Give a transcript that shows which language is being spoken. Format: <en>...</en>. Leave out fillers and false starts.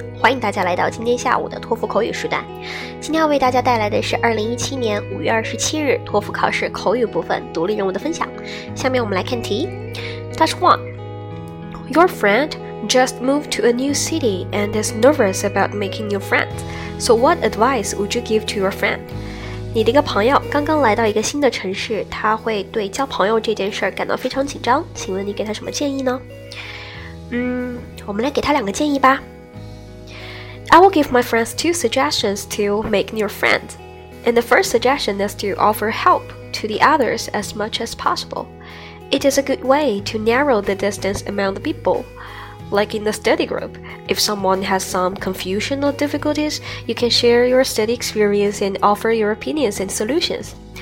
<zh>欢迎大家来到今天下午的托福口语时段。今天要为大家带来的是2017年5月27日托福考试口语部分独立任务的分享。下面我们来看题。Task 1.</zh> <en>Your friend just moved to a new city and is nervous about making new friends. So what advice would you give to your friend?</en> <zh>你的一个朋友刚刚来到一个新的城市，他会对交朋友这件事感到非常紧张，请问你给他什么建议呢？我们来给他两个建议吧。</zh> <en>I will give my friends 2 suggestions to make new friends. And the first suggestion is to offer help to the others as much as possible. It is a good way to narrow the distance among the people. Like in the study group, if someone has some confusion or difficulties, you can share your study experience and offer your opinions and solutions.</en>